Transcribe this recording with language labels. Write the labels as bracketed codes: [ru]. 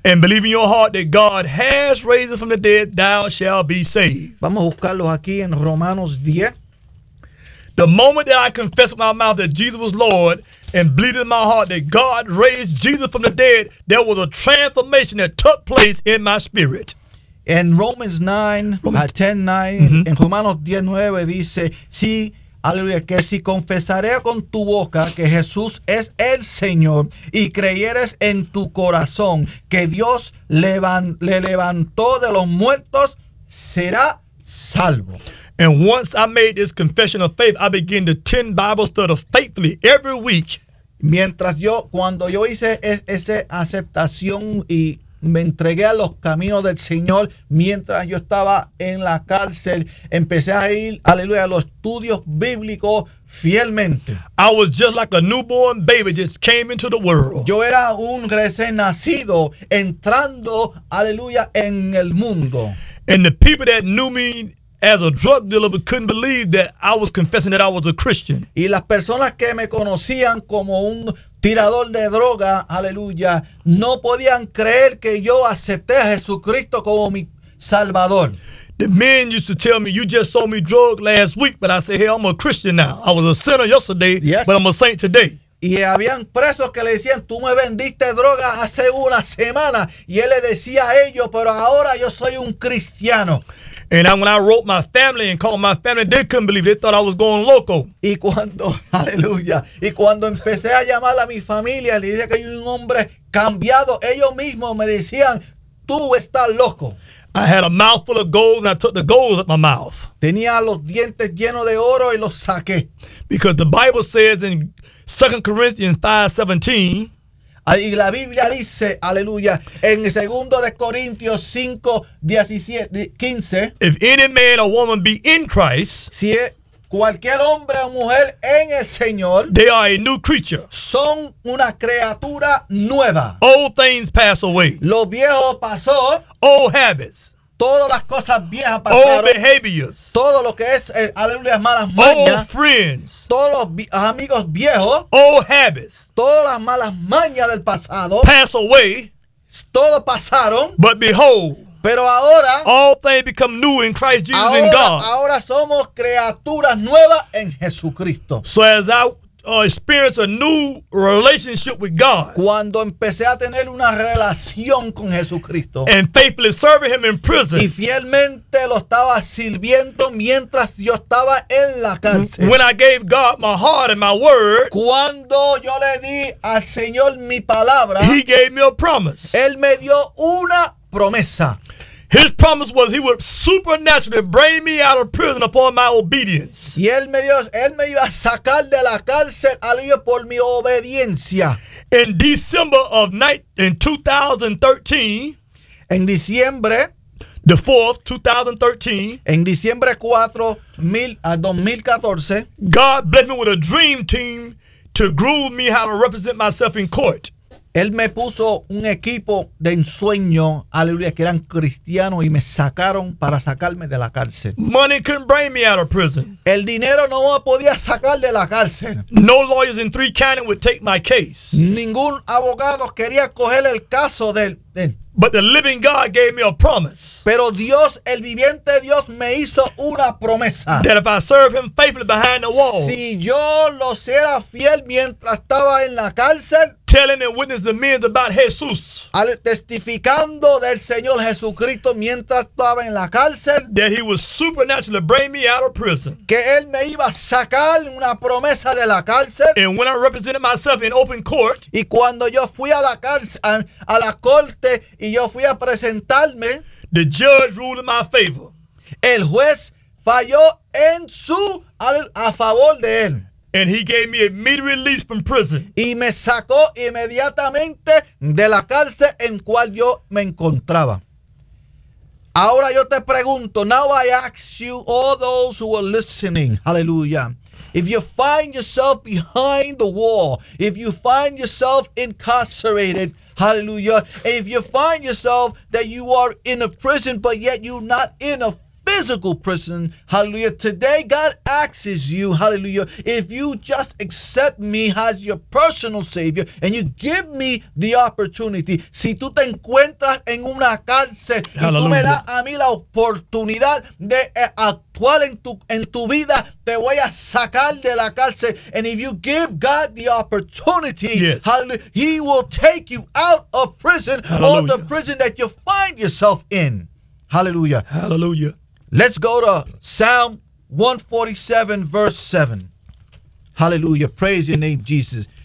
[en] and believe in your heart that God has raised him from the dead, thou shalt be saved. [es] Vamos a buscarlo aquí en Romanos 10. [en] The moment that I confessed with my mouth that Jesus was Lord and believed in my heart that God raised Jesus from the dead, there was a transformation that took place in my spirit. In Romans 10:9, mm-hmm. [es] En Romanos 10:9 dice, si, aleluya, que si confesaré con tu boca que Jesús es el Señor y creyeres en tu corazón que Dios le levantó de los muertos, será salvo. [en] And once I made this confession of faith, I began to attend Bible study faithfully every week. [es] Mientras yo, cuando yo hice esa aceptación y me entregué a los caminos del Señor, mientras yo estaba en la cárcel, empecé a ir, aleluya, a los estudios bíblicos fielmente. [en] I was just like a newborn baby just came into the world. [es] Yo era un recién nacido entrando, aleluya, en el mundo. [en] And the people that knew me as a drug dealer, but couldn't believe that I was confessing that I was a Christian. [es] Y las personas que me conocían como un tirador de droga, aleluya, no podían creer que yo acepté a Jesucristo como mi salvador. [en] The men used to tell me, you just sold me drug last week, but I said, hey, I'm a Christian now. I was a sinner yesterday, yes, but I'm a saint today. [es] Y habían presos que le decían, tú me vendiste droga hace una semana. Y él le decía a ellos, pero ahora yo soy un cristiano. [en] And when I wrote my family and called my family, they couldn't believe it. They thought I was going loco. [es] Y cuando, aleluya, y cuando empecé a llamar a mi familia, le dije que yo un hombre cambiado, ellos mismos me decían, tú estás loco. [en] I had a mouthful of gold and I took the gold out of my mouth. [es] Tenía los dientes llenos de oro y los saqué. [en] Because the Bible says in 2 Corinthians 5:17, [es] y la Biblia dice, aleluya, en 2 Corintios 5:15. [en] If any man or woman be in Christ, [es] si cualquier hombre o mujer en el Señor, [en] they are a new creature. [es] Son una criatura nueva. [en] Old things pass away. [es] Lo viejo pasó. [en] Old habits. [es] Todas las cosas viejas pasaron. [en] Old behaviors. [es] Todo lo que es, aleluya, malas mañas. [en] Old friends. [es] Todos los amigos viejos. [en] Old habits. [es] Todas las malas mañas del pasado. [en] Pass away. [es] Todo pasaron. [en] But behold. [es] Pero ahora. [en] All things become new in Christ Jesus [es] ahora, [en] and God. [es] Ahora somos criaturas nuevas en Jesucristo. [en] So as I experienced a new relationship with God. [es] Cuando empecé a tener una relación con Jesucristo. [en] And faithfully serving him in prison. [es] Y fielmente lo estaba sirviendo mientras yo estaba en la cárcel. [en] When I gave God my heart and my word. [es] Cuando yo le di al Señor mi palabra. [en] He gave me a promise. [es] Él me dio una promesa. [en] His promise was he would supernaturally bring me out of prison upon my obedience. [es] Y él me iba a sacar de la cárcel a Dios por mi obediencia. [en] In December of 2013. [es] En diciembre. [en] The 4th, 2013. [es] En diciembre 4, 2014. [en] God blessed me with a dream team to groove me how to represent myself in court. [es] Él me puso un equipo de ensueño, aleluya, que eran cristianos y me sacaron para sacarme de la cárcel. [en] Money couldn't bring me out of prison. [es] El dinero no me podía sacar de la cárcel. [en] No lawyers in three counties would take my case. [es] Ningún abogado quería coger el caso de él. [en] But the living God gave me a promise. [es] Pero Dios, el viviente Dios, me hizo una promesa. [en] That if I serve him faithfully behind the wall. [es] Si yo lo era fiel mientras estaba en la cárcel. [en] Telling and witness the men about Jesus. [es] Testificando del Señor Jesucristo mientras estaba en la cárcel. [en] That he was supernaturally bring me out of prison. [es] Que él me iba a sacar una promesa de la cárcel. [en] And when I represented myself in open court. [es] Y cuando yo fui a la cárcel, a la corte, y yo fui a presentarme. [en] The judge ruled in my favor. [es] El juez falló en su a favor de él. [en] And he gave me immediate release from prison. [es] Y me sacó inmediatamente de la cárcel en cual yo me encontraba. Ahora yo te pregunto, [en] now I ask you, all those who are listening, hallelujah, if you find yourself behind the wall, if you find yourself incarcerated, hallelujah, if you find yourself that you are in a prison, but yet you're not in a physical prison, hallelujah. Today God asks you, hallelujah, if you just accept me as your personal savior and you give me the opportunity. [es] Si tú te encuentras en una cárcel, hallelujah, y tú me das a mí la oportunidad de actuar en tu vida, te voy a sacar de la cárcel. [en] And if you give God the opportunity, yes, hallelujah, he will take you out of prison, hallelujah, or the prison that you find yourself in. Hallelujah. Hallelujah. Let's go to Psalm 147, verse 7. Hallelujah. Praise your name, Jesus.